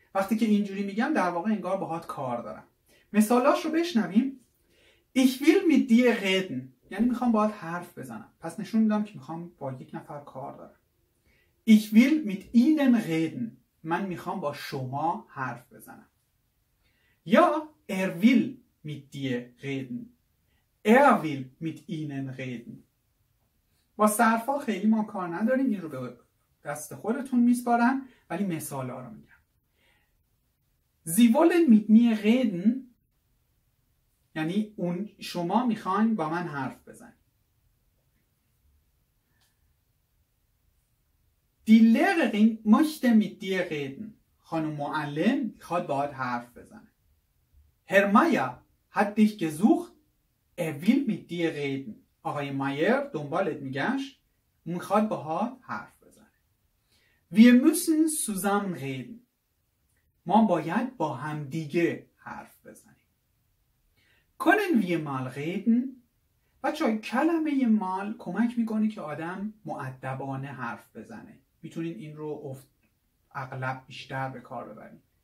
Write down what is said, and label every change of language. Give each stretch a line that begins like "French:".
Persian: وقتی که اینجوری میگم در واقع انگار باهات کار دارم. مثالاش رو بشنویم.
German: Ich will mit dir reden،
Persian: یعنی میخوام باهات حرف بزنم. پس نشون میدم که میخوام با یک نفر کار دارم.
German: Ich will mit Ihnen reden،
Persian: من میخوام با شما حرف بزنم.
German: یا will mit dir reden، will mit Ihnen reden.
Persian: با صرفا خیلی ما کار نداریم، این رو به دست خودتون میسپارم، ولی مثال ها رو میگم.
German: Sie wollen mit mir reden،
Persian: یعنی اون شما میخواین با من حرف بزنید.
German: Die Lehrerin möchte mit dir reden،
Persian: خانم معلم میخواد باهات حرف بزنه.
German: Herr Meier hat dich gesucht، er will mit dir reden،
Persian: آقای مایر دنبالت میگشت، میخواد باها حرف بزنه.
German: Wir müssen zusammen reden،
Persian: ما باید با هم دیگه حرف بزنیم.
German: Können wir mal reden،
Persian: بچه های کلمه مال کمک میکنه که آدم مؤدبانه حرف بزنه. میتونین این رو اغلب بیشتر به کار ببرین.